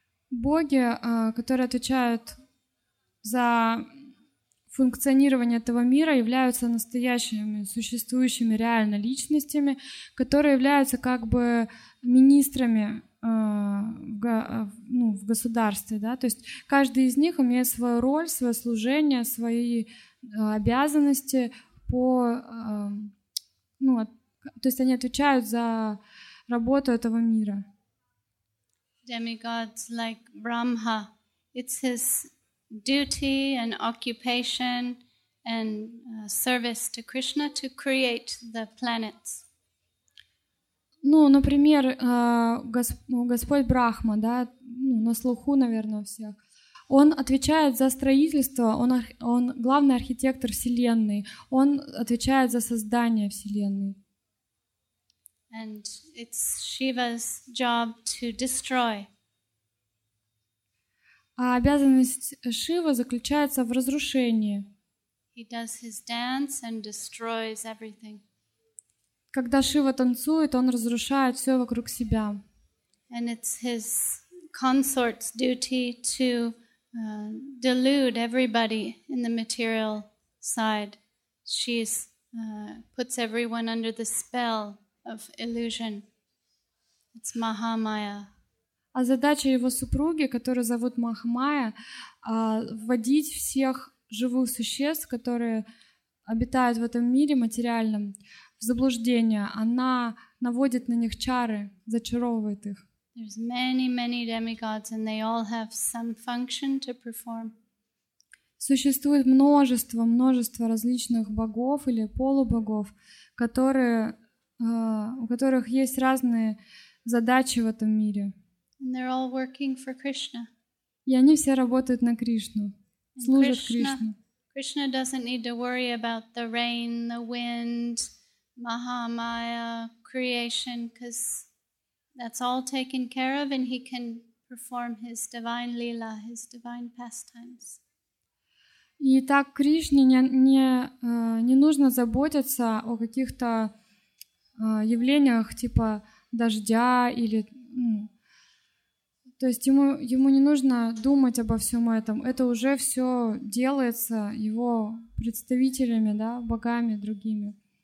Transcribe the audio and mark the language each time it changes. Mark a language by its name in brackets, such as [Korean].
[Russian] Боги, которые отвечают за функционирование этого мира, являются настоящими, существующими реально личностями, которые являются как бы министрами в государстве. Да? То есть каждый из них имеет свою роль, свое служение, свои обязанности по... то есть они отвечают за работу этого мира. [English] Demigods like Brahma, it's his duty and occupation and service to Krishna to create the planets. [Russian] Например, Господь Брахма, да, на слуху, наверное, у всех. Он отвечает за строительство, он главный архитектор Вселенной, он отвечает за создание Вселенной. [English] And it's Shiva's job to destroy. [Russian] А обязанность Шивы заключается в разрушении. [English] He does his dance and destroys everything. [Russian] Когда Шива танцует, он разрушает все вокруг себя. [English] And it's his consort's duty to delude everybody in the material side. She's puts everyone under the spell of illusion. It's Mahamaya. [Russian] А задача его супруги, которую зовут Махамая, вводить всех живых существ, которые обитают в этом мире материальном, в заблуждение. Она наводит на них чары, зачаровывает их. [English] There's many, many demigods, and they all have some function to perform. [Russian] Существует множество различных богов или полубогов, которые, у которых есть разные задачи в этом мире. [English] And they're all working for Krishna. [Russian] И они все работают на Кришну, служат Кришне. [English] Krishna doesn't need to worry about the rain, the wind, Mahamaya, creation, because that's all taken care of, and he can perform his divine lila, his divine pastimes. [Russian] И так Кришне не нужно заботиться о каких-то явлениях типа дождя или то есть ему не нужно думать обо всем этом. Это уже все делается его представителями, да, богами другими.